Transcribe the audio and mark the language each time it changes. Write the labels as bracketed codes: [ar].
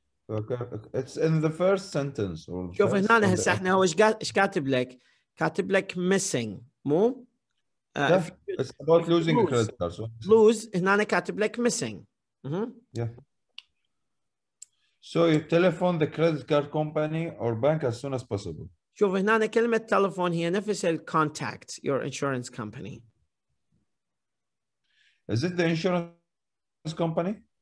[en] Okay. It's in the first sentence. [ar] شوف هنا هسه احنا هو ايش كاتب لك? كاتب لك missing, مو? [en] It's about losing a credit card. So. [ar] Lose, هنا كاتب لك missing. Mm-hmm. [en] Yeah. So you telephone the credit card company or bank as soon as possible. [ar] شوف هنا كلمة telephone هي نفس ال [en] contact your insurance company. Is it the insurance company?